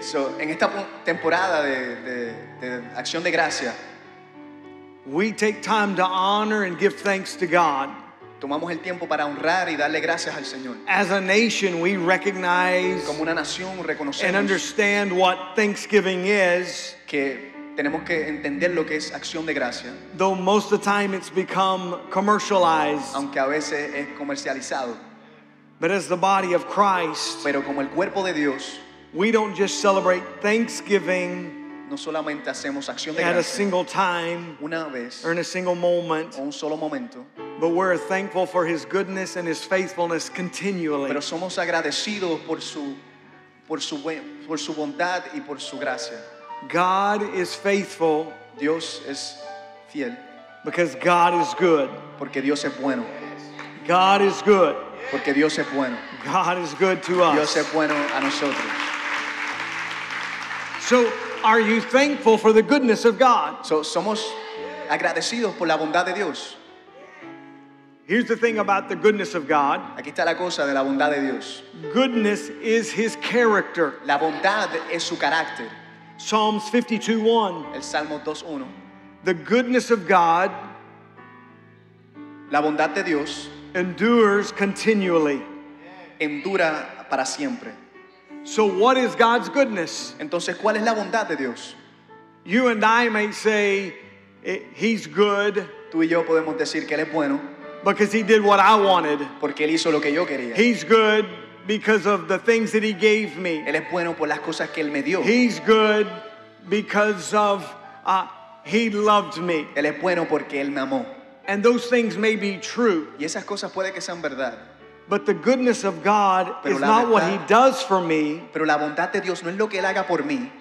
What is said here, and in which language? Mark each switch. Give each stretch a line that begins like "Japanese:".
Spanish: So en esta temporada de acción de gracia.
English: We take time to honor and give thanks to God.
Spanish: Tomamos el tiempo para honrar y darle gracias al Señor.
English: As a nation, we recognize
Spanish: como una nación, reconocemos
English: and understand what Thanksgiving is.
Spanish: Que tenemos que entender lo que es acción de gracia.
English: Though most of the time it's become commercialized.
Spanish: Aunque a veces es comercializado.
English: But as the body of Christ,
Spanish: pero como el cuerpo de Dios,
English: we don't just celebrate Thanksgiving.
Spanish: No solamente hacemos acción de gracias.
English: At a single time,
Spanish: una vez,
English: or in a single moment,
Spanish: o un solo momento,
English: but we're thankful for his goodness and his faithfulness continually.
Spanish: Pero somos agradecidos por su bondad y por su gracia.
English: God is faithful.
Spanish: Dios es fiel.
English: Because God is good.
Spanish: Porque Dios es bueno.
English: God is good.
Spanish: Porque Dios es bueno.
English: God is good to us.
Spanish: Dios es bueno a nosotros.
English: So, are you thankful for the goodness of God?
Spanish: So, somos agradecidos por la bondad de Dios.
English: Here's the thing about the goodness of God.
Spanish: Aquí está la cosa de la bondad de Dios.
English: Goodness is his character.
Spanish: La bondad es su carácter.
English: Psalms 52:1.
Spanish: El Salmo 2:1.
English: The goodness of God.
Spanish: La bondad de Dios.
English: Endures continually.
Spanish: Endura para siempre.
English: So what is God's goodness?
Spanish: Entonces, ¿cuál es la bondad de Dios?
English: You and I may say he's good.
Spanish: Tú y yo podemos decir que él es bueno.
English: Because he did what I wanted.
Spanish: Porque él hizo lo que yo quería.
English: He's good because of the things that he gave me.
Spanish: Él es bueno por las cosas que él me dio.
English: He's good because of he loved me.
Spanish: Él es bueno porque él me amó.
English: And those things may be true.
Spanish: Y esas cosas puede que sean verdad.
English: But the goodness of God
Spanish: pero
English: is not
Spanish: verdad,
English: what he does for me.
Spanish: Pero la bondad de Dios no es lo que él haga por mí.